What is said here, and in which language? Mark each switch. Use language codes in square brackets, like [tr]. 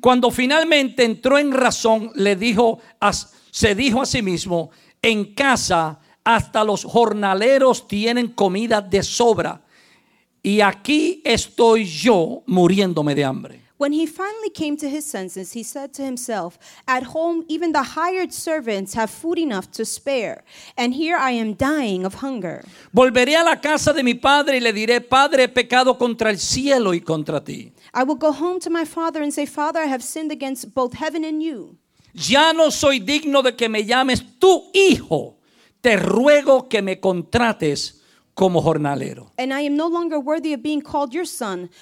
[es] Cuando finalmente entró en razón, se dijo a sí mismo, en casa hasta los jornaleros tienen comida de sobra, y aquí estoy yo muriéndome de hambre. [en] When he finally came to his senses, he said to himself, at home, even the hired servants have food enough to spare, and here I am dying of hunger. [es] Volveré a la casa de mi padre y le diré, Padre, he pecado contra el cielo y contra ti. [en] I will go home to my father and say, Father, I have sinned against both heaven and you. [es] Ya no soy digno de que me llames tu hijo. Te ruego que me contrates como jornalero. [en] And I am no longer worthy of being called your son.